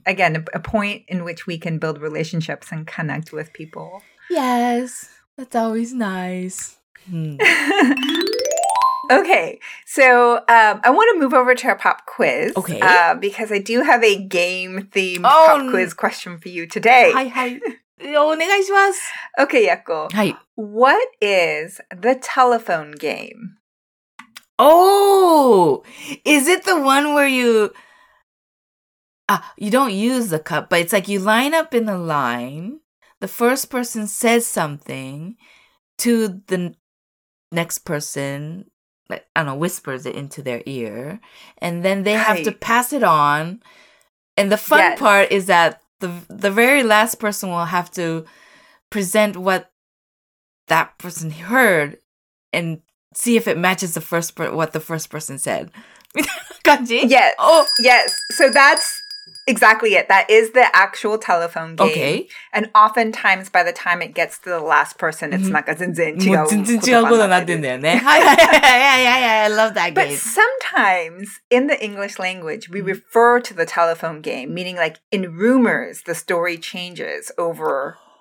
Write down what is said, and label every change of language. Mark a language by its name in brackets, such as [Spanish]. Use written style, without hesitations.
[English] Yes. So many fun ways, and like again, a point in which we can build relationships and connect with people. Yes, that's always nice. Okay, so I want to move over to our pop quiz. Okay. Because I do have a game-themed pop quiz question for you today. [Japanese] はいはい。お願いします。 [English] Okay, Yakko. Hi. What is the telephone game? Oh, is it the one where you... you don't use the cup, but it's like you line up in a line... The first person says something, to the next person, like, I don't know, whispers it into their ear, and then they right. have to pass it on. And the fun yes. part is that the very last person will have to present what that person heard and see if it matches the first what the first person said. Kanji? Yes. Oh. Yes. So that's exactly it. That is the actual telephone game. Okay. And oftentimes, by the time it gets to the last person, it's mm-hmm. [Japanese] 全然違うことになってんだよね。はいはいはいはい。 [English] I love that game. But sometimes, in the English language, we refer to the telephone game, meaning like in rumors, the story changes over...